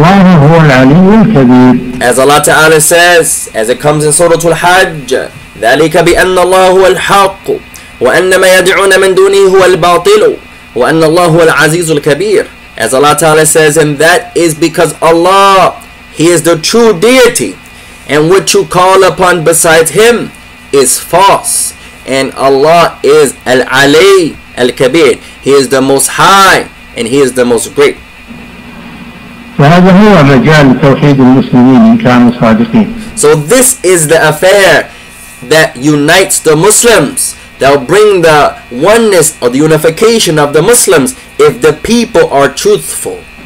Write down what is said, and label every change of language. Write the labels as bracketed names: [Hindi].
[English] As Allah Ta'ala says, as it comes in Surah Al-Hajj, [Arabic] ذلك بأن الله هو الحق وأن ما يدعون من دونه هو الباطل وأن الله هو العزيز الكبير. [English] As Allah Ta'ala says, and that is because Allah, he is the true deity, and what you call upon besides him is false, and Allah is Al-Ali Al-Kabir, he is the most high and he is the most great. [Arabic] فهذا هو مجال توحيد المسلمين إن كانوا صادقين. [English] So this is the affair that unites the Muslims, that will bring the oneness or the unification of the Muslims if the people are truthful.